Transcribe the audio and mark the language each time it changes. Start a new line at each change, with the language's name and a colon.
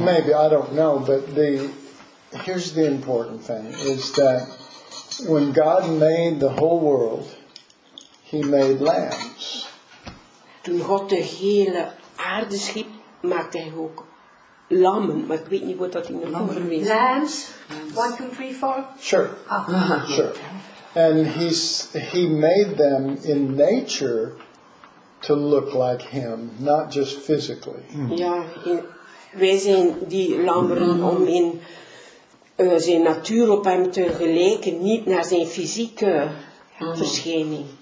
English: Maybe, I don't know, but here's the important thing, is that when God made the whole world, he made lambs.
Dutch: Toen God de hele aarde schiep, maakte hij ook lammen. Maar ik weet niet wat dat in de lammen is.
English: Lambs. 1, 2, 3, 4. Sure. Oh. Sure. And he made them in nature to look like him, not just physically.
Dutch: Ja, wij zijn die lammeren om in zijn natuur op hem te gelijken, niet naar zijn fysieke verschijning.